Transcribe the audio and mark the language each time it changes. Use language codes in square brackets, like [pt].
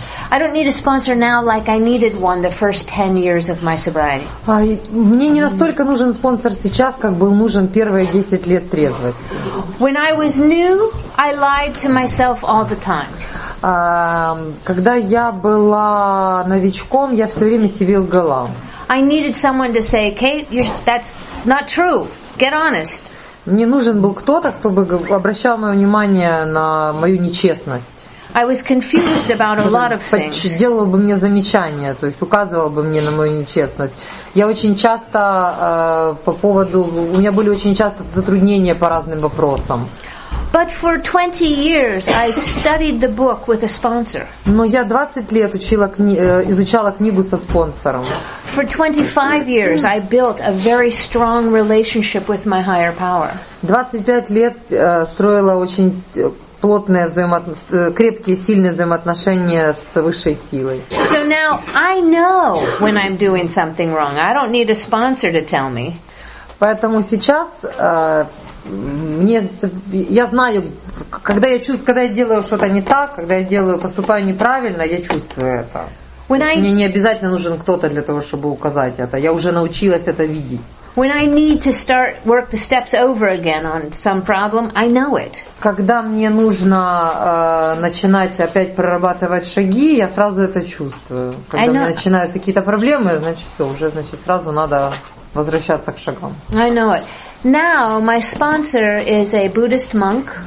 [en] I don't need a sponsor now like I needed one the first 10 years of my sobriety. [ru] Мне не настолько нужен спонсор сейчас, как был нужен первые 10 лет трезвости. [en] When I was new, I lied to myself all the time. [ru] Когда я была новичком, я все время себе лгала. [en] I needed someone to say, "Kate, that's not true. Get honest." [ru] Мне нужен был кто-то, кто бы обращал мое внимание на мою нечестность. [en] I was confused about a lot of things. [ru] Делал бы мне замечания, то есть указывал бы мне на мою нечестность. Я очень часто по поводу, у меня были очень часто затруднения по разным вопросам. [en] But for 20 years I studied the book with a sponsor. [ru] Но я 20 лет учила изучала книгу со спонсором. [en] For 25 years I built a very strong relationship with my higher power. [ru] 25 лет строила очень плотные крепкие, сильные взаимоотношения с высшей силой. [en] So now I know when I'm doing something wrong. I don't need a sponsor to tell me. [ru] Поэтому сейчас я знаю, когда я делаю что-то не так, когда я поступаю неправильно, я чувствую это. Мне не обязательно нужен кто-то для того, чтобы указать это. Я уже научилась это видеть. [en] When I need to start work the steps over again on some problem, I know it. [ru] Когда мне нужно начинать опять прорабатывать шаги, я сразу это чувствую. Когда мне начинаются какие-то проблемы, значит все, уже значит сразу надо возвращаться к шагам. [en] I know it. Now my sponsor is a Buddhist monk.